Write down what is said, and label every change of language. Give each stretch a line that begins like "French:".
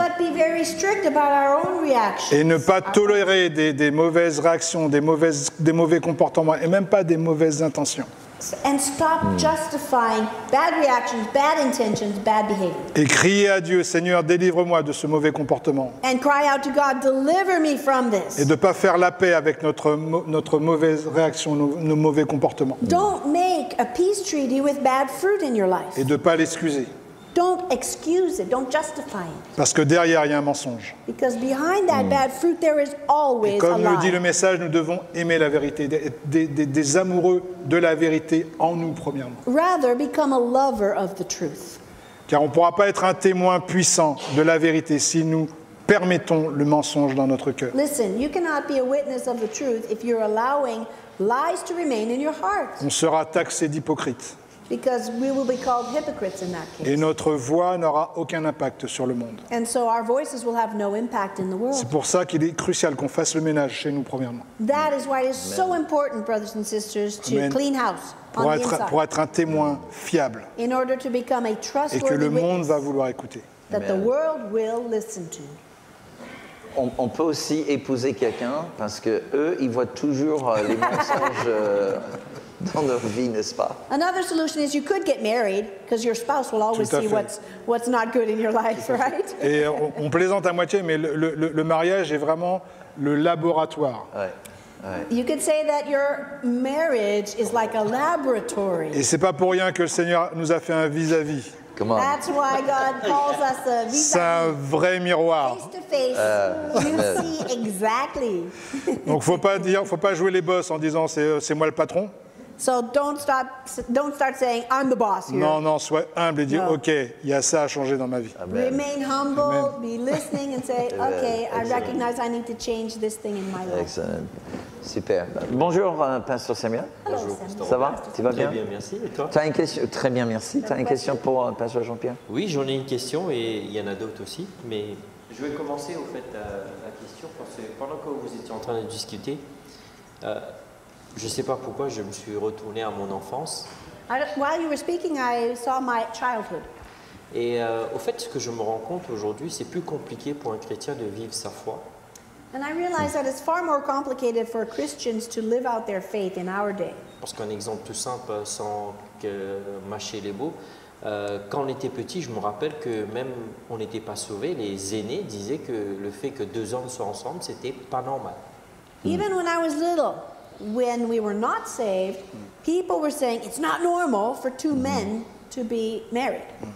English: But be very strict about our own reactions.
French: Et ne pas tolérer des mauvaises réactions, des mauvais comportements, et même pas des mauvaises intentions.
English: And stop justifying bad reactions, bad intentions, bad behavior.
French: Et crier à Dieu, Seigneur, délivre-moi de ce mauvais comportement.
English: And cry out to God, deliver me from this.
French: Et de pas faire la paix avec notre mauvaise réaction, nos mauvais comportements.
English: Don't make a peace treaty with bad fruit in your life.
French: Et de pas l'excuser.
English: Don't excuse it, don't justify it.
French: Parce que derrière, il y a un mensonge.
English: Because behind that bad fruit, there is always a lie.
French: Comme le dit le message, nous devons aimer la vérité, des amoureux de la vérité en nous, premièrement.
English: Rather, become a lover of the truth.
French: Car on ne pourra pas être un témoin puissant de la vérité si nous permettons le mensonge dans notre cœur.
English: Listen, you cannot be a witness of the truth if you're allowing lies to remain in your heart.
French: On sera taxé d'hypocrite.
English: Because we will be called hypocrites in that case.
French: Et notre voix n'aura aucun impact sur le monde.
English: And so our voices will have no impact in the world.
French: C'est pour ça qu'il est crucial qu'on fasse le ménage chez nous premièrement.
English: That is why it is so important, brothers and sisters, to clean house.
French: Pour être un témoin fiable.
English: In order to become a trustworthy witness.
French: Et que le monde va vouloir écouter.
English: That the world will listen to.
French: On peut aussi épouser quelqu'un parce que eux, ils voient toujours les mensonges dans leur vie, n'est-ce pas?
English: Another solution is you could get married because your spouse will always see what's not good in your life, right?
French: Et on plaisante à moitié, mais le mariage est vraiment le laboratoire. Ouais.
English: You could say that your marriage is like a laboratory.
French: Et c'est pas pour rien que le Seigneur nous a fait un vis-à-vis.
English: That's why God calls us a vis-à-vis.
French: C'est un vrai miroir.
English: Face to face, you see exactly.
French: Donc faut pas jouer les boss en disant c'est moi le patron.
English: So don't start saying I'm the boss here.
French: Non, sois humble et dis OK, il y a ça à changer dans ma vie. Amen.
English: Remain humble, be listening and say OK, I recognize I need to change this thing in my life.
French: Excellent. Super. Bonjour, Pasteur Samuel. Bonjour. Ça va? Tu vas bien? Très bien, merci. Et toi? T'as une question? Très bien, merci. T'as une question pour Pasteur Jean-Pierre? Oui, j'en ai une question et il y en a d'autres aussi. Mais je vais commencer au fait la question parce que pendant que vous étiez en train de discuter, je ne sais pas pourquoi je me suis retourné à mon enfance.
English: While you were speaking, I saw my childhood.
French: Et au fait, ce que je me rends compte aujourd'hui, c'est plus compliqué pour un chrétien de vivre sa foi.
English: And I realize that it's far more complicated for Christians to live out their faith in our day.
French: Parce qu'un exemple tout simple, sans que mâcher les mots, quand on était petit, je me rappelle que même on n'était pas sauvés, les aînés disaient que le fait que deux hommes soient ensemble, c'était pas normal.
English: Even when I was little, when we were not saved, people were saying it's not normal for two men to be married.